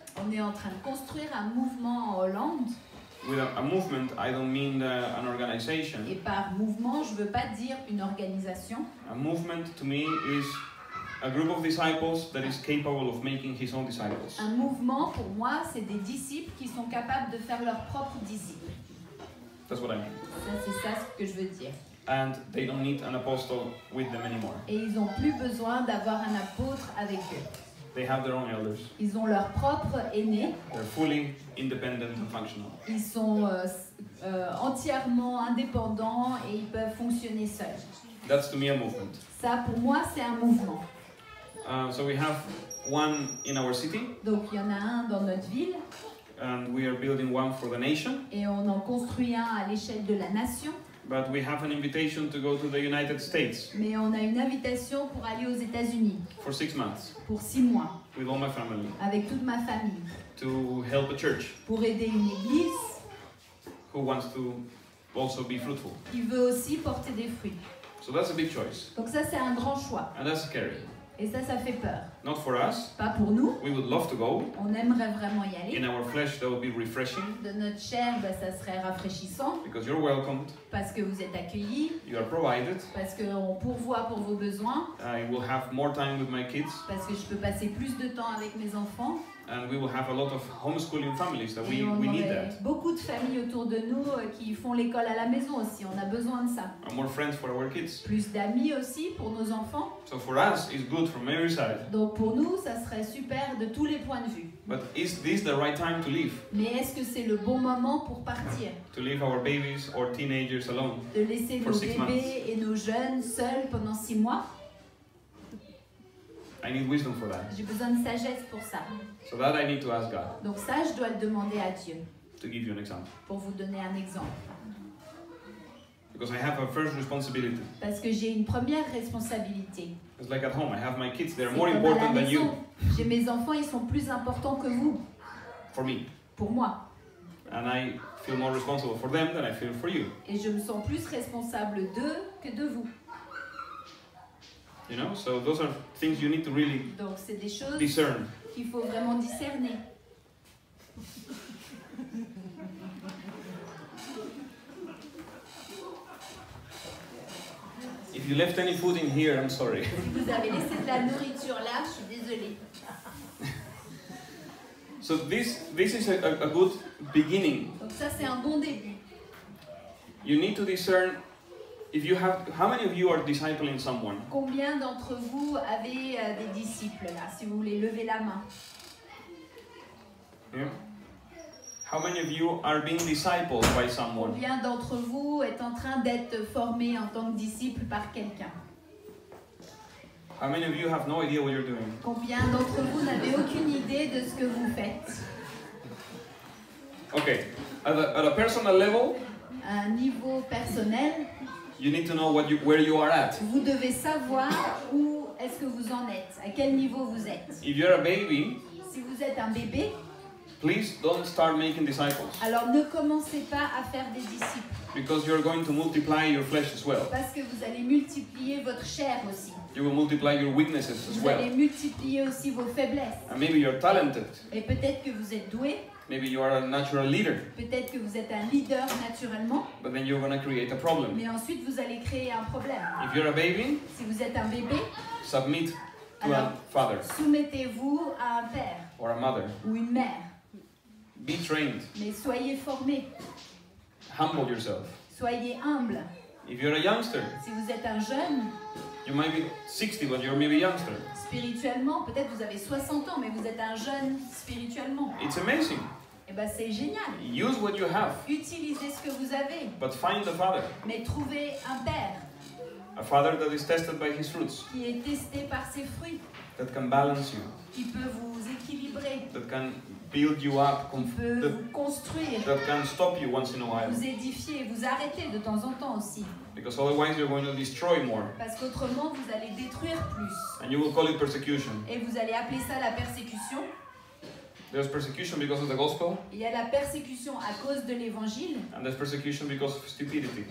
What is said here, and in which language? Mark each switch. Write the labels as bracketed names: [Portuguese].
[French] On est en train de construire un mouvement en Hollande. [English] With a movement, I don't mean an organization. [French] Et par mouvement, je veux pas dire une organisation. [English] A movement to me is a group of disciples that is capable of making his own disciples. [French] Un mouvement pour moi, c'est des disciples qui sont capables de faire leurs propres disciples. [English] That's what I mean. [French] C'est ça ce que je veux dire. [English] And they don't need an apostle with them anymore. [French] Et ils n'ont plus besoin d'avoir un apôtre avec eux. [English] They have their own elders. [French] Ils ont leur propre aîné. [English] They're fully independent and functional. [French] Ils sont entièrement indépendants et ils peuvent fonctionner seuls. [English] That's to me a movement. [French] Ça pour moi c'est un mouvement. [English] So we have one in our city. [French] Donc il y en a un dans notre ville. [English] And we are building one for the nation. [French] Et on en construit un à l'échelle de la nation. [English] But we have an invitation to go to the United States. [French] Mais on a une invitation pour aller aux États-Unis. [English] For 6 months. [French] Pour 6 mois. [English] With all my family. [French] Avec toute ma famille. [English] To help a church. [French] Pour aider une église. [English] Who wants to also be fruitful. [French] Qui veut aussi porter des fruits. [English] So that's a big choice. [French] Donc ça c'est un grand choix. [English] And that's scary. [French] Et ça, ça fait peur. [English] Not for us. [French] Pas pour nous. [English] We would love to go. [French] On aimerait vraiment y aller. [English] In our flesh, that would be refreshing. [French] De notre chair, bah, ça serait rafraîchissant. [English] Because you're welcomed. [French] Parce que vous êtes accueillis. [English] You are provided. [French] Parce qu'on pourvoit pour vos besoins. [English] I will have more time with my kids. [French] Parce que je peux passer plus de temps avec mes enfants. [English] And we will have a lot of homeschooling families that we need that. [French] Beaucoup de familles autour de nous qui font l'école à la maison aussi. On a besoin de ça. [English] And more friends for our kids. [French] Plus d'amis aussi pour nos enfants. [English] So for us, it's good from every side. [French] Donc pour nous, ça serait super de tous les points de vue. [English] But is this the right time to leave? [French] Mais est-ce que c'est le bon moment pour partir? [English] To leave our babies or teenagers alone. [French] De laisser nos bébés et nos jeunes seuls pendant 6 mois? [English] I need wisdom for that. [French] J'ai besoin de sagesse pour ça. [English] So that I need to ask God. [French] Donc ça, je dois le demander à Dieu. [English] To give you an example. [French] Pour vous donner un exemple. [English] Because I have a first responsibility. [French] Parce que j'ai une première responsabilité. [English] It's like at home, I have my kids. They're more important than you. [French] J'ai mes enfants, ils sont plus importants que vous. [English] For me. [French] Pour moi. [English] And I feel more responsible for them than I feel for you. [French] Et je me sens plus responsable d'eux que de vous. [English] You know, so those are things you need to really [French] donc, c'est des choses [English] discern. [French] Qu'il faut vraiment discerner. [English] If you left any food in here, I'm sorry. [French] Si vous avez laissé de la nourriture là, je suis désolée. [English] So this is a good beginning. [French] Donc ça c'est un bon début. [English] You need to discern. If you have, how many of you are discipling someone? [French] Combien d'entre vous avez des disciples là, si vous voulez lever la main? [English] Yeah. How many of you are being discipled by someone? [French] Combien d'entre vous est en train d'être formé en tant que disciple par quelqu'un? [English] How many of you have no idea what you're doing? [French] Combien d'entre vous n'avez aucune idée de ce que vous faites? [English] Okay, at a personal level. [French] À un niveau personnel. [English] You need to know what you, where you are at. [French] Vous devez savoir où est-ce que vous en êtes, à quel niveau vous êtes. [English] If you're a baby, [French] si vous êtes un bébé, [English] please don't start making disciples. [French] Alors ne commencez pas à faire des disciples. [English] Because you're going to multiply your flesh as well. [French] Parce que vous allez multiplier votre chair aussi. [English] You will multiply your weaknesses as well. [French] Vous allez multiplier aussi vos faiblesses. [English] And maybe you're talented. [French] Et peut-être que vous êtes doué. [English] Maybe you are a natural leader. [French] Peut-être que vous êtes un leader naturellement. [English] But then you're going to create a problem. [French] Mais ensuite vous allez créer un problème. [English] If you're a baby, [French] si vous êtes un bébé, [English] submit to a father. [French] Soumettez-vous à un père. [English] Or a mother. [French] Ou une mère. [English] Be trained. [French] Mais soyez formé. [English] Humble yourself. [French] Soyez humble. [English] If you're a youngster, [French] si vous êtes un jeune, [English] you might be 60, but you're maybe a youngster. [French] Spirituellement, peut-être vous avez 60 ans, mais vous êtes un jeune spirituellement. [English] It's amazing. [French] Et ben c'est génial. [English] Use what you have. [French] Utilisez ce que vous avez. [English] But find a father. [French] Mais trouvez un père. [English] A father that is tested by his fruits. [French] Qui est testé par ses fruits. [English] That can balance you. [French] Qui peut vous équilibrer. [English] That can build you up. [French] Qui peut vous construire. [English] That can stop you once in a while. [French] Vous édifier, vous arrêter de temps en temps aussi. [English] Because otherwise you're going to destroy more. [French] Parce qu'autrement vous allez détruire plus. [English] And you will call it persecution. [French] Et vous allez appeler ça la persécution. [English] There's persecution because of the gospel. [French] Il y a la persécution à cause de l'évangile. [English] And there's persecution because of stupidity.